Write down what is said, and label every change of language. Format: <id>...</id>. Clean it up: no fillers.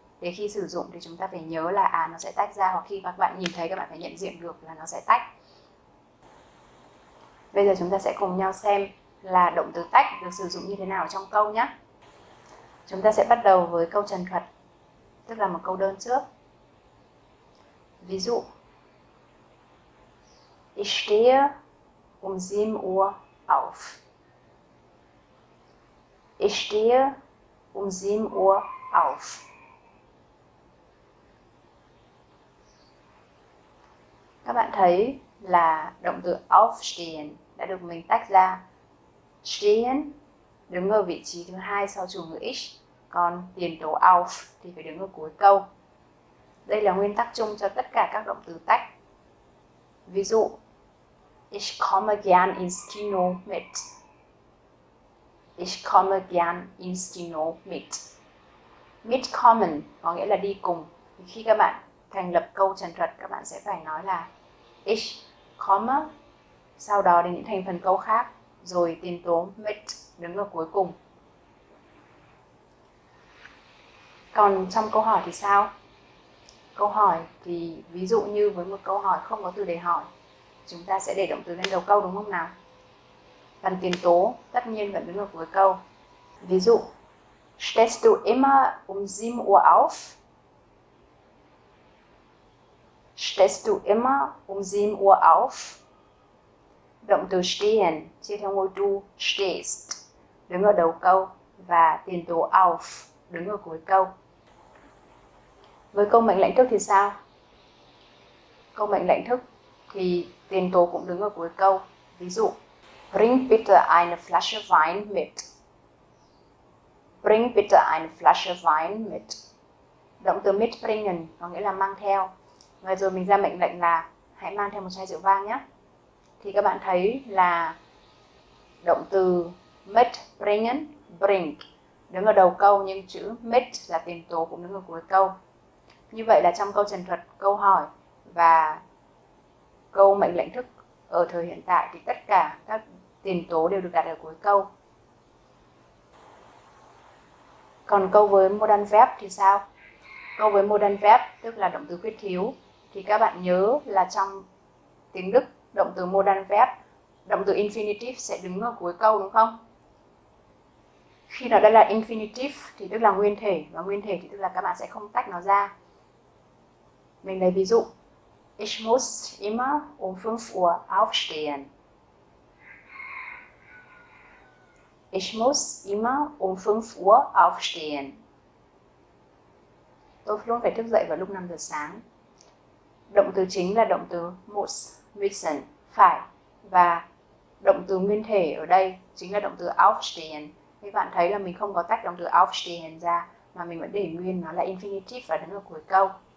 <vi>Để khi sử dụng thì chúng ta phải nhớ là à nó sẽ tách ra, hoặc khi các bạn nhìn thấy các bạn phải nhận diện được là nó sẽ tách. Bây giờ chúng ta sẽ cùng nhau xem là động từ tách được sử dụng như thế nào trong câu nhé. Chúng ta sẽ bắt đầu với câu trần thuật, tức là một câu đơn trước. Ví dụ:</vi> <de>Ich stehe um 7 Uhr auf. Ich stehe um 7 Uhr auf.</de> <vi>Các bạn thấy là động từ aufstehen đã được mình tách ra. Stehen đứng ở vị trí thứ hai sau chủ ngữ ich, còn tiền tố auf thì phải đứng ở cuối câu. Đây là nguyên tắc chung cho tất cả các động từ tách. Ví dụ:</vi> <de>Ich komme gern ins Kino mit. Ich komme gern ins Kino mit.</de> <vi>Mit kommen có nghĩa là đi cùng. Thì khi các bạn thành lập câu trần thuật, các bạn sẽ phải nói là</vi> <de>ich komme,</de> <vi>sau đó đến những thành phần câu khác, rồi tiền tố mit đứng ở cuối cùng. Còn trong câu hỏi thì sao? Câu hỏi thì ví dụ như với một câu hỏi không có từ để hỏi, chúng ta sẽ để động từ lên đầu câu đúng không nào? Phần tiền tố tất nhiên vẫn đứng ở cuối câu. Ví dụ:</vi> <de>Stehst du immer um 7 Uhr auf? Stehst du immer um 7 Uhr auf?</de> <vi>Động từ stehen chia theo ngôi</vi> <de>du stehst</de> <vi>đứng ở đầu câu và tiền tố auf đứng ở cuối câu. Với câu mệnh lệnh thức thì sao? Câu mệnh lệnh thức thì tiền tố cũng đứng ở cuối câu. Ví dụ:</vi> <de>Bring bitte eine Flasche Wein mit. Bring bitte eine Flasche Wein mit.</de> <vi>Động từ mitbringen có nghĩa là mang theo. Và rồi mình ra mệnh lệnh là hãy mang theo một chai rượu vang nhé. Thì các bạn thấy là động từ mitbringen, bring đứng ở đầu câu, nhưng chữ mit là tiền tố cũng đứng ở cuối câu. Như vậy là trong câu trần thuật, câu hỏi và câu mệnh lệnh thức ở thời hiện tại thì tất cả các tiền tố đều được đặt ở cuối câu. Còn câu với modern verb thì sao? Câu với modern verb tức là động từ khuyết thiếu. Thì các bạn nhớ là trong tiếng Đức, động từ modern verb, động từ infinitive sẽ đứng ở cuối câu đúng không? Khi nó đã là infinitive thì tức là nguyên thể, và nguyên thể thì tức là các bạn sẽ không tách nó ra. Mình lấy ví dụ,</vi> <de>ich muss immer um 5 Uhr aufstehen. Ich muss immer um 5 Uhr aufstehen.</de> <vi>Tôi luôn phải thức dậy vào lúc 5 giờ sáng. Động từ chính là động từ muss, müssen, phải. Và động từ nguyên thể ở đây chính là động từ aufstehen. Các bạn thấy là mình không có tách động từ aufstehen ra, mà mình vẫn để nguyên nó là infinitive và đứng ở cuối câu.</vi>